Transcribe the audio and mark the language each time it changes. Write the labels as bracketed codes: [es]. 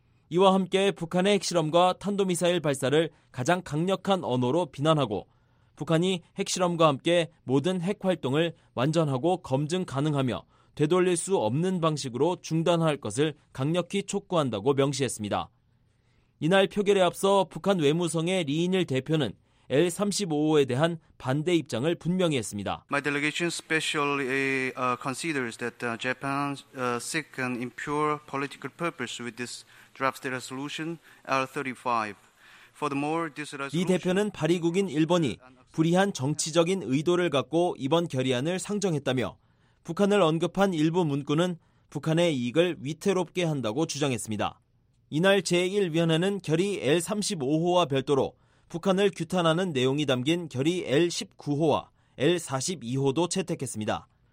[ko] 이와 함께 북한의 핵실험과 탄도미사일 발사를 가장 강력한 언어로 비난하고 북한이 핵실험과 함께 모든 핵활동을 완전하고 검증 가능하며 되돌릴 수 없는 방식으로 중단할 것을 강력히 촉구한다고 명시했습니다. 이날 표결에 앞서 북한 외무성의 리인일 대표는 L35호에 대한 반대 입장을 분명히 했습니다. [en] My delegation specially considers that Japan seek an impure political purpose with this draft resolution L35. Furthermore, this resolution [ko] 이 대표는 발의국인 일본이 불의한 정치적인 의도를 갖고 이번 결의안을 상정했다며 북한을 언급한 일부 문구는 북한의 이익을 위태롭게 한다고 주장했습니다. 이날 제1위원회는 결의 L35호와 별도로 북한을 규탄하는 내용이 담긴 결의 L19호와 L42호도 채택했습니다.